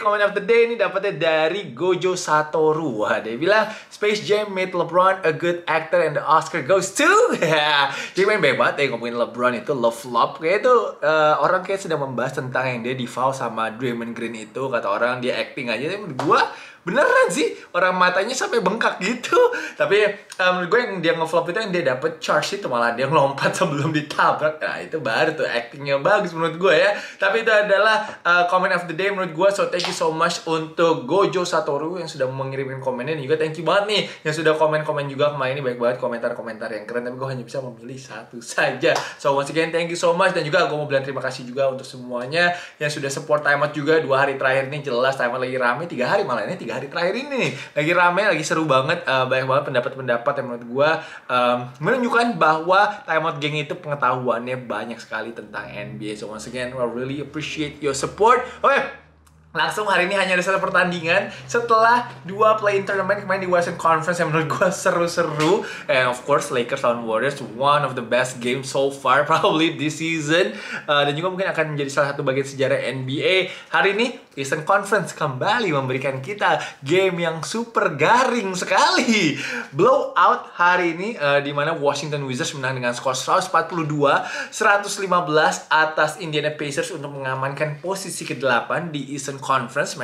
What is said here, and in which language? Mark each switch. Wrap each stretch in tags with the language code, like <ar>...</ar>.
<en>Comment of the day</en> <id>ini dapatnya dari Gojo Satoru. Dia bilang,</id> <en>Space Jam made LeBron a good actor and the Oscar goes to...</en> <id>Jadi main bebat ya, ngomongin LeBron itu love flop. Kayaknya tuh orang kayak sedang membahas tentang yang dia di-foul sama Draymond Green itu. Kata orang dia acting aja. Tapi menurut gue, beneran sih. Orang matanya sampai bengkak gitu. Tapi menurut gue yang dia nge-flop itu yang dia dapet charge itu. Malah dia ngelompat sebelum ditabrak. Nah itu baru tuh actingnya bagus menurut gue ya. Tapi itu adalah</id> <en>comment of the day</en> <id>menurut gue.</id> <en>So thank you so much</en> <id>untuk Gojo Satoru yang sudah mengirimin komennya. Dan juga</id> <en>thank you</en> <id>banget nih yang sudah komen-komen juga kemarin ini. Banyak banget komentar-komentar yang keren. Tapi gue hanya bisa memilih satu saja.</id> <en>So once again thank you so much.</en> <id>Dan juga gue mau bilang terima kasih juga untuk semuanya yang sudah support Time Out juga. Dua hari terakhir ini jelas Time Out lagi rame. Tiga hari malah ini, tiga hari terakhir ini nih. Lagi rame, lagi seru banget. Banyak banget pendapat-pendapat yang menurut gue menunjukkan bahwa Time Out Gang itu pengetahuannya banyak sekali tentang NBA.</id> <en>So once again, I really appreciate your support.</en> <id>Oke. Okay. Langsung hari ini hanya ada satu pertandingan setelah dua play-in tournament kemarin di Western Conference yang menurut gue seru-seru.</id> <en>And of course Lakers lawan Warriors, one of the best games so far probably this season.</en> <id>Dan juga mungkin akan menjadi salah satu bagian sejarah NBA. Hari ini Eastern Conference kembali memberikan kita game yang super garing sekali. Blowout hari ini di mana Washington Wizards menang dengan skor 142-115 atas Indiana Pacers untuk mengamankan posisi ke-8 di Eastern Conference.</id>